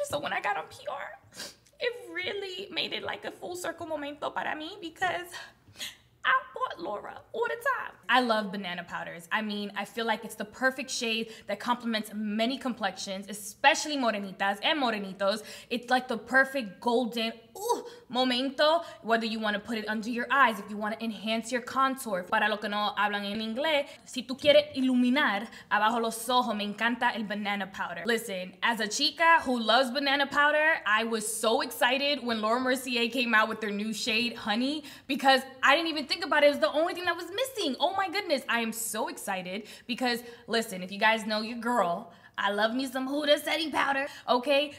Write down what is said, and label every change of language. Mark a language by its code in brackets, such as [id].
[en] So when I got on PR, it really made it like a full circle [es] momento para me [en] because I bought Laura all the time. I love banana powders. I mean, I feel like it's the perfect shade that complements many complexions, especially [es] morenitas [en] and [es] morenitos. [en] It's like the perfect golden [es] momento, [en] whether you want to put it under your eyes, if you want to enhance your contour. [es] Para lo que no hablan en inglés, si tú quieres iluminar abajo los ojos, me encanta el banana powder. [en] Listen, as a [es] chica [en] who loves banana powder, I was so excited when Laura Mercier came out with their new shade, honey, because I didn't even think about it. It was the only thing that was missing. Oh my goodness, I am so excited because, listen, if you guys know your girl, I love me some Huda setting powder, okay?